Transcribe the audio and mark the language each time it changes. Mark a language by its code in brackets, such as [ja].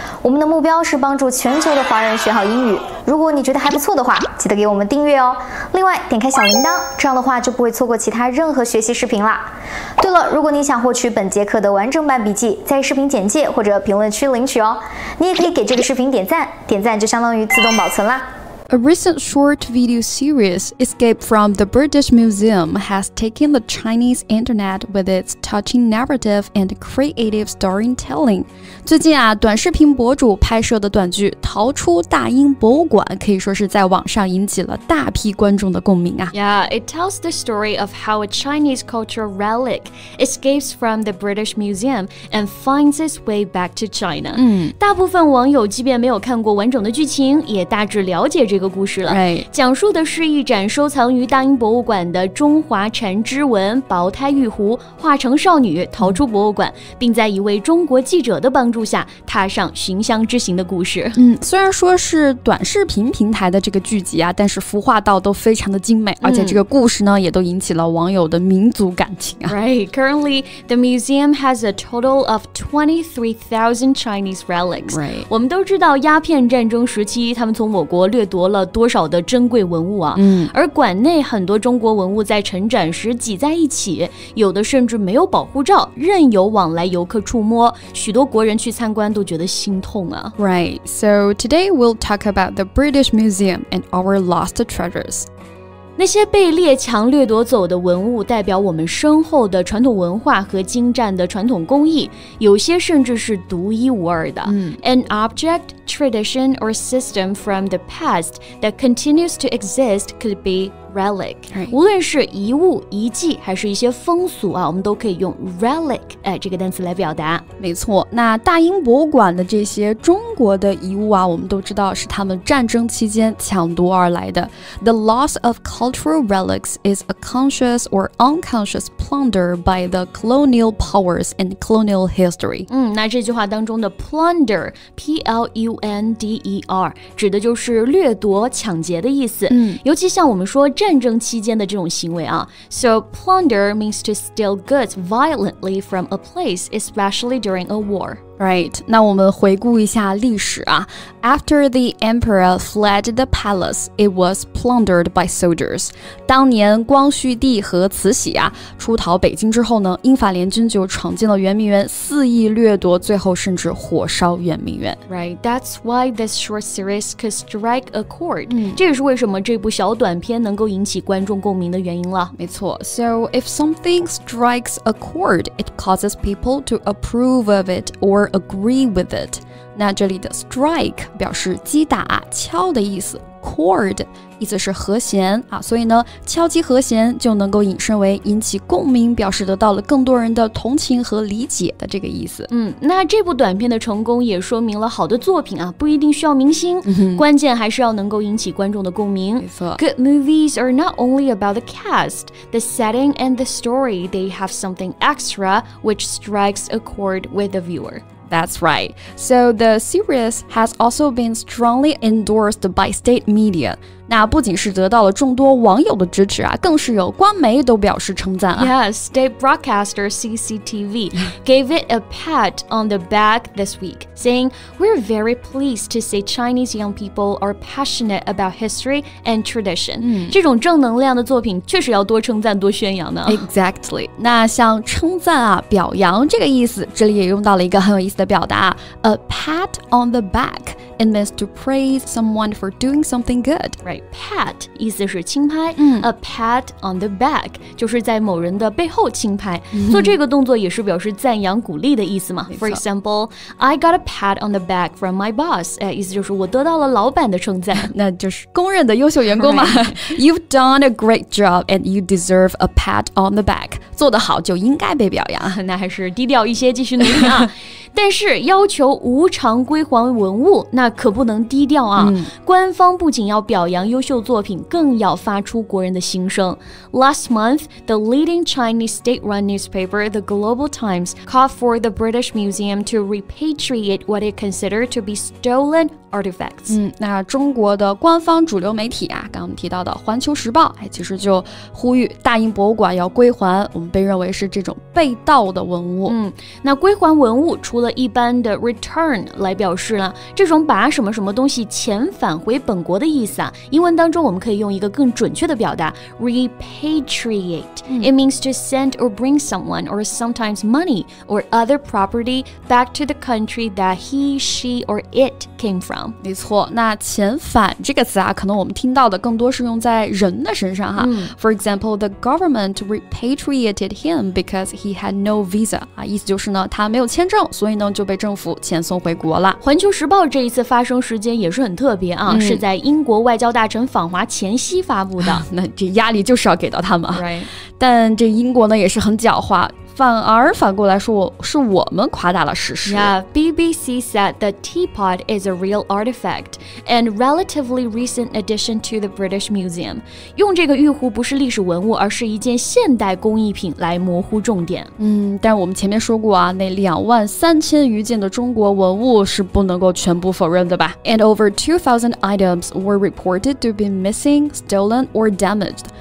[zh] 我们的目标是帮助全球的华人学好英语。如果你觉得还不错的话，记得给我们订阅哦。另外，点开小铃铛，这样的话就不会错过其他任何学习视频啦。对了，如果你想获取本节课的完整版笔记，在视频简介或者评论区领取哦。你也可以给这个视频点赞，点赞就相当于自动保存啦。 [en] A recent short video series, Escape from the British Museum, has taken the Chinese internet with its touching narrative and creative storytelling. [zh] 最近啊，短视频博主拍摄的短剧《逃出大英博物馆》可以说是在网上引起了大批观众的共鸣啊。 [en] Yeah, it tells the story of how a Chinese cultural relic escapes from the British Museum and finds its way back to China. [zh] 大部分网友即便没有看过完整的剧情，也大致了解这个故事了、 [en] right. [zh] 讲述的是一盏收藏于大英博物馆的中华禅之文薄胎玉壶化成少女逃出博物馆、并在一位中国记者的帮助下踏上寻香之行的故事、虽然说是短视频平台的这个剧集啊，但是服化道都非常的精美、而且这个故事呢也都引起了网友的民族感情、 [en] Right. Currently, the museum has a total of 23,000 Chinese relics、 right. [zh] 我们都知道鸦片战争时期他们从我国掠夺了多少的珍贵文物啊、而馆内很多中国文物在陈展时挤在一起，有的甚至没有保护罩，任由往来游客触摸，许多国人去参观都觉得心痛啊。 [en] Right, so today we'll talk about the British Museum and our lost treasures. [zh] 那些被列强掠夺走的文物代表我们深厚的传统文化和精湛的传统工艺，有些甚至是独一无二的。 [en] An object, tradition, or system from the past that continues to exist could be relic.、 Right. [zh] 无论是遗物、遗迹还是一些风俗啊，我们都可以用 relic、这个单词来表达。没错，那大英博物馆的这些中国的遗物啊，我们都知道是他们战争期间抢夺而来的。 [en] The loss of cultural relics is a conscious or unconscious plunder by the colonial powers and colonial history. [zh] 那这句话当中的 plunder, P-L-U-N-D-E-R, 指的就是掠夺、抢劫的意思。尤其像我们说战争期间的这种行为啊。 [en] So plunder means to steal goods violently from a place, especially during a war. Right, [zh] 那我们回顾一下历史啊。 [en] After the emperor fled the palace, it was plundered by soldiers. [zh] 当年光绪帝和慈禧啊出逃北京之后呢，英法联军就闯进了圆明园，肆意掠夺，最后甚至火烧圆明园。 [en] Right, that's why this short series could strike a chord.、 [zh] 这也是为什么这部小短片能够引起观众共鸣的原因了。没错。 [en] So if something strikes a chord, it causes people to approve of it or agree with it. [zh] 那这里的 strike 表示击打、敲的意思。 Chord 意思是和弦啊，所以呢，敲击和弦就能够引申为引起共鸣，表示得到了更多人的同情和理解的这个意思。那这部短片的成功也说明了好的作品啊，不一定需要明星，关键还是要能够引起观众的共鸣。没错。 [en] Good movies are not only about the cast, the setting and the story. They have something extra which strikes a chord with the viewer. That's right. So the series has also been strongly endorsed by state media. [zh] 那不仅是得到了众多网友的支持啊，更是有官媒都表示称赞啊。 [en] Yes, state broadcaster CCTV gave it a pat on the back this week, saying, "We're very pleased to see Chinese young people are passionate about history and tradition." [zh] 这种正能量的作品确实要多称赞多宣扬呢。 [en] Exactly. [zh] 那像称赞啊、表扬这个意思，这里也用到了一个很有意思。的表达 [en] a pat on the back, it means to praise someone for doing something good. Right, [zh] pat 意思是轻拍、a pat on the back 就是在某人的背后轻拍、做这个动作也是表示赞扬鼓励的意思嘛。 [en] For example, I got a pat on the back from my boss.、 [zh] 意思就是我得到了老板的称赞。那就是公认的优秀员工嘛。 [en] You've done a great job and you deserve a pat on the back. [zh] 做得好就应该被表扬。那还是低调一些继续努力啊。但是要求无偿归还文物，那可不能低调啊、嗯、官方不仅要表扬优秀作品，更要发出国人的心声。 [en] Last month, the leading Chinese state-run newspaper, The Global Times, called for the British Museum to repatriate what it considered to be stolen artifacts.、 [zh] 嗯、那中国的官方主流媒体啊，刚刚我们提到的《环球时报》哎，其实就呼吁大英博物馆要归还我们被认为是这种被盗的文物。嗯，那归还文物除了一般的 return 来表示了这种把什么什么东西遣返回本国的意思啊，英文当中我们可以用一个更准确的表达 repatriate、嗯、 [en] It means to send or bring someone or sometimes money or other property back to the country that he, she or it came from. [zh] 没错，那遣返这个词啊，可能我们听到的更多是用在人的身上哈、嗯、 [en] For example, the government repatriated him because he had no visa、 [zh] 啊、意思就是呢他没有签证，所以呢就被政府遣送回国了。环球时报这一次发生时间也是很特别啊、嗯、是在英国外交大臣访华前夕发布的。那这压力就是要给到他们、 [en] right. [zh] 但这英国呢也是很狡猾，反而反过来说是我们夸大了事实。 [en] Yeah, BBC said the teapot is a real artifact and relatively recent addition to the British Museum. [zh] 用这个玉壶不是历史文物，而是一件现代工艺品来模糊重点。嗯，但我们前面说过啊，那23,000余件的中国文物是不能够全部否认的吧。 [en] And over 2,000 items were reported to be missing, stolen or damaged.